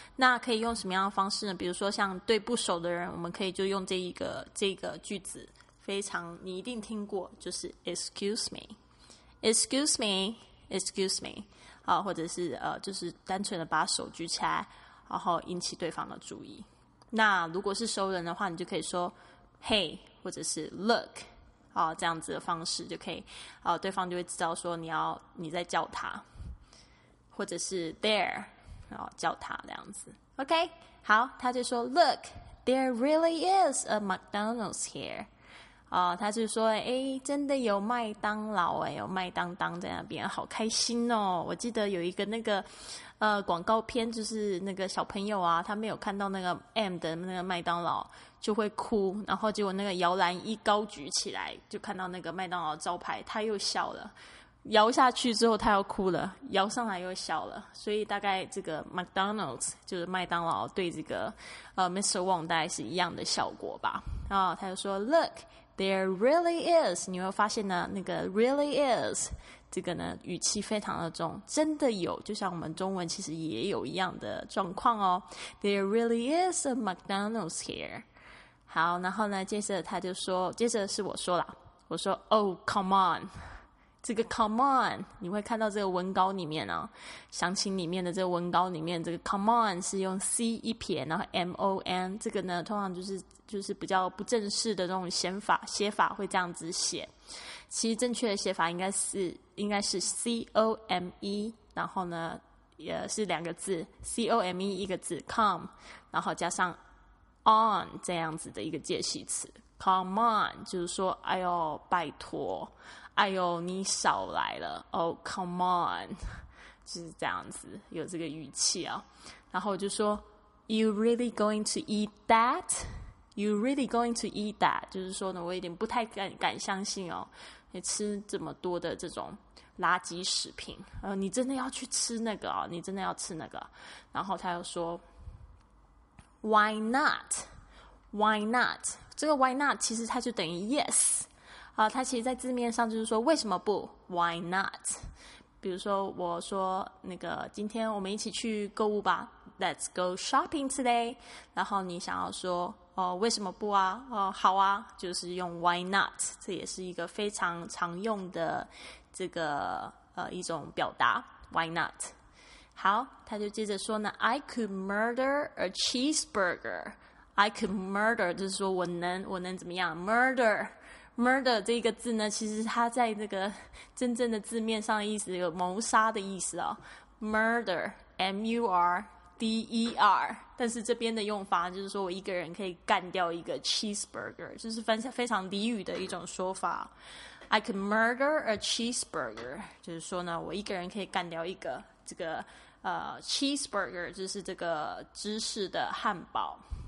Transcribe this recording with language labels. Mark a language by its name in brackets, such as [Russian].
[Chinese] 那可以用什么样的方式呢？比如说像对不熟的人，我们可以就用这个句子，非常你一定听过，就是 [English] excuse me excuse me excuse me、 [Chinese] 或者是就是单纯的把手举起来然后引起对方的注意。那如果是熟人的话，你就可以说 Hey 或者是 Look、这样子的方式就可以、对方就会知道说你在叫他，或者是 There 然后叫他这样子。 OK， 好，他就说 [English] Look, there really is a McDonald's here。 [Chinese] 哦，他是说，哎，真的有麦当劳，哎，有麦当当在那边，好开心哦！我记得有一个那个广告片，就是那个小朋友啊，他没有看到那个 M 的那个麦当劳就会哭，然后结果那个摇篮一高举起来，就看到那个麦当劳招牌，他又笑了；摇下去之后，他又哭了；摇上来又笑了。所以大概这个 McDonald's 就是麦当劳对这个Mr. Wong 大概是一样的效果吧。然后他就说 ，Look。 [English] There really is, [Chinese] 你会发现呢，那个 really is, 这个呢，语气非常的重，真的有，就像我们中文其实也有一样的状况哦。 [English] There really is a McDonald's here. [Chinese] 好，然后呢，接着他就说，接着是我说啦，我说 [English] Oh, come on. [Chinese] 这个 come on, 你会看到这个文稿里面哦，详情里面的这个文稿里面，这个 come on 是用 C 一撇，然后 M-O-N, 这个呢，通常就是比较不正式的那种写法，写法会这样子写。其实正确的写法应该是 C O M E, 然后呢也是两个字 ,C O M E 一个字 ,come, 然后加上 on 这样子的一个介系词。 Come on, 就是说哎呦拜托哎呦你少来了 , [English] Oh, come on, [Chinese] 就是这样子有这个语气啊。然后就说 [English] ,You really going to eat that? You really going to eat that? [Chinese] 就是说呢，我有点不太敢相信哦，你吃这么多的这种垃圾食品，你真的要去吃那个哦？你真的要吃那个？然后他又说 ， [English] Why not? Why not? [Chinese] 这个 Why not 其实它就等于 Yes 啊，它其实在字面上就是说为什么不 ？ [English] Why not? [Chinese] 比如说我说那个今天我们一起去购物吧 ， [English] Let's go shopping today。 [Chinese] 然后你想要说。哦，为什么不啊？哦，好啊，就是用 [English] why not， [Chinese] 这也是一个非常常用的这个一种表达 why not。好，他就接着说呢 ， [English] I could murder a cheeseburger。 I could murder， [Chinese] 就是说我能怎么样 ？murder。 Murder 这个字呢，其实它在这个真正的字面上的意思有谋杀的意思哦 ，murder，M-U-R。 D-E-R 但是这边的用法就是说我一个人可以干掉一个 cheeseburger 就是非常俚语的一种说法 [English] I can murder a cheeseburger [Chinese] 就是说呢我一个人可以干掉一个这个cheeseburger 就是这个芝士的汉堡